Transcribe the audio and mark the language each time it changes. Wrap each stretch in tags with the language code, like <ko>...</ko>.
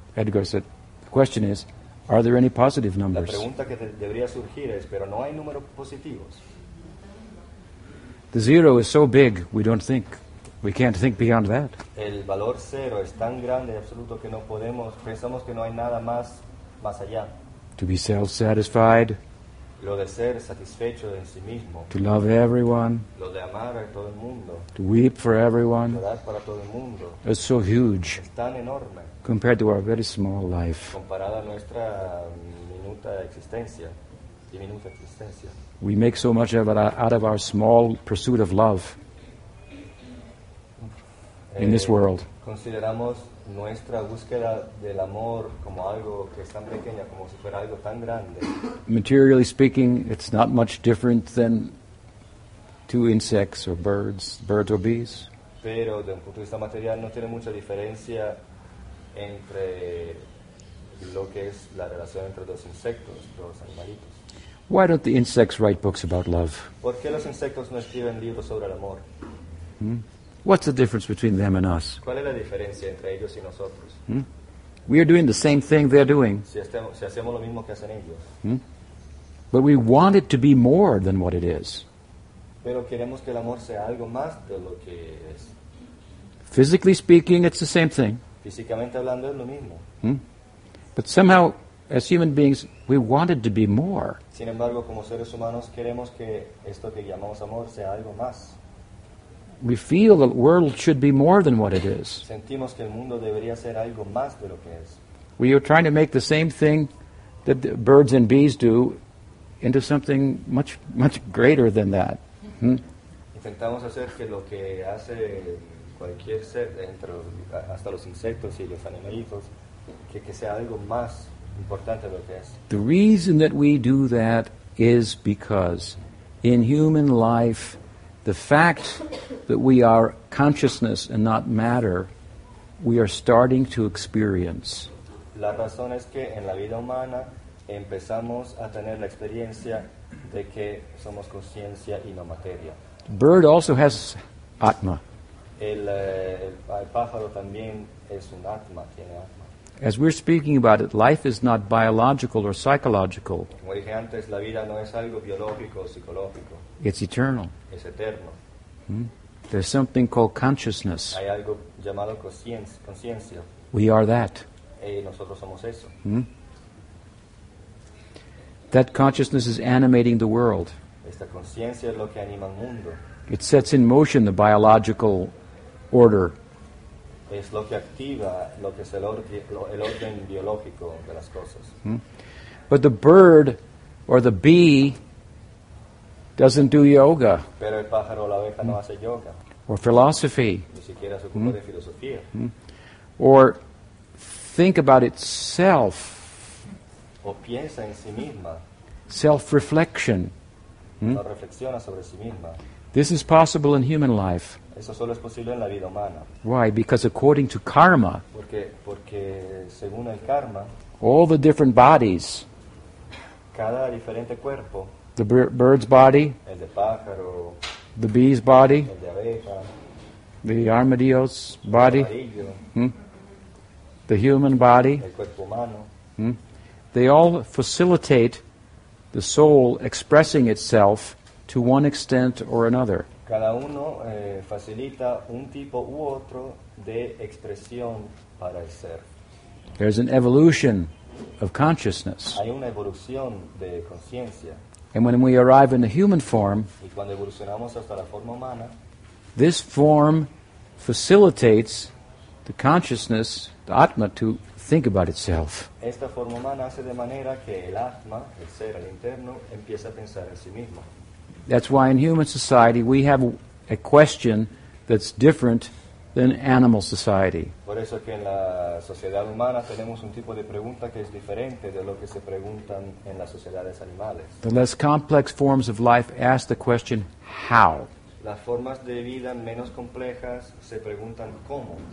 <en>Edgar said, the question is: are there any positive numbers?</en> <es>La pregunta que debería surgir es, pero no hay números positivos.</es> <en>The zero is so big, we don't think. We can't think beyond that.</en> <es>El valor cero es tan grande, absoluto, que no podemos, pensamos que no hay nada más, más allá.</es> <en>To be self-satisfied.</en> <es>Lo de ser satisfecho en sí mismo.</es> <en>To love everyone.</en> <es>Lo de amar a todo el mundo.</es> <en>To weep for everyone.</en> <es>Llorar para todo el mundo.</es> <en>It's so huge.</en> <es>Es tan enorme.</es> <en>Compared to our very small life.</en> <es>Comparada a nuestra minuta existencia. Diminuta existencia.</es> <en>We make so much out of our small pursuit of love in this world.</en> <es>Consideramos nuestra búsqueda del amor como algo que es tan pequeña, como si fuera algo tan grande.</es> <en>Materially speaking, it's not much different than two insects or birds or bees.</en> <es>Pero desde un punto de vista material no tiene mucha diferencia entre lo que es la relación entre dos insectos, dos animalitos.</es> <en>Why don't the insects write books about love?</en> <es>¿Por qué los insectos no escriben libros sobre el amor?</es> <en>What's the difference between them and us?</en> <es>¿Cuál es la diferencia entre ellos y nosotros?</es> <en>We are doing the same thing they're doing.</en> <es>Si hacemos lo mismo que hacen ellos.</es> <en>But we want it to be more than what it is.</en> <es>Pero queremos que el amor sea algo más de lo que es.</es> <en>Physically speaking, it's the same thing.</en> <es>Físicamente hablando, es lo mismo.</es> <en>But somehow, as human beings, we want it to be more.</en> <es>Sin embargo, como seres humanos, queremos que esto que llamamos amor sea algo más.</es> <en>We feel the world should be more than what it is.</en> <es>Sentimos que el mundo debería ser algo más de lo que es.</es> <en>We are trying to make the same thing that the birds and bees do into something much, much greater than that.</en> <es>Intentamos hacer que lo que hace cualquier ser, entre hasta los insectos y los animalitos, que sea algo más.</es> <en>The reason that we do that is because in human life the fact that we are consciousness and not matter, we are starting to experience.</en> <es>La razón es que en la vida humana empezamos a tener la experiencia de que somos conciencia y no materia.</es> <en>Bird also has atma.</en> <es>El pájaro también es un atma, tiene atma.</es> <en>As we're speaking about it, life is not biological or psychological.</en> <es>Como dije antes, la vida no es algo biológico o psicológico.</es> <en>It's eternal.</en> <es>Es eterno.</es> <en>There's something called consciousness.</en> <es>Hay algo llamado conciencia.</es> <en>We are that.</en> <es>Y nosotros somos eso.</es> <en>That consciousness is animating the world.</en> <es>Esta conciencia es lo que anima el mundo.</es> <en>It sets in motion the biological order.</en> <es>Es lo que activa lo que es el orden biológico de las cosas.</es> <en>But the bird or the bee doesn't do yoga.</en> <es>Pero el pájaro o la abeja no hace yoga.</es> <en>Or philosophy.</en> <es>Ni siquiera se ocupa de filosofía.</es> <en>Or think about itself.</en> <es>O piensa en sí misma.</es> <en>Self-reflection.</en> <es>No reflexiona sobre sí misma.</es> <en>This is possible in human life.</en> <es>Eso solo es posible en la vida humana.</es> <en>Why? Because according to karma,</en> <es>porque según el karma,</es> <en>all the different bodies,</en> <es>cada diferente cuerpo,</es> <en>the bird's body,</en> <es>el de pájaro,</es> <en>the bee's body,</en> <es>el de abeja,</es> <en>the armadillo's body,</en> <es>armadillo,</es> <en>the human body,</en> <es>el cuerpo humano,</es> <en>they all facilitate the soul expressing itself to one extent or another.</en> <es>Cada uno facilita un tipo u otro de expresión para el ser.</es> <en>There's an evolution. of consciousness.</en> <es>Hay una evolución de conciencia.</es> <en>And when we arrive in the human form,</en> <es>y cuando evolucionamos hasta la forma humana,</es> <en>this form facilitates the consciousness, the Atma, to think about itself.</en> <es>Esta forma humana hace de manera que el Atma, el ser, el interno, empieza a pensar en sí mismo.</es> <en>That's why in human society we have a question that's different than animal society.</en> <es>Por eso que en la sociedad humana tenemos un tipo de pregunta que es diferente de lo que se preguntan en las sociedades animales.</es> <en>The less complex forms of life ask the question, how?</en> <es>Las formas de vida menos complejas se preguntan cómo.</es>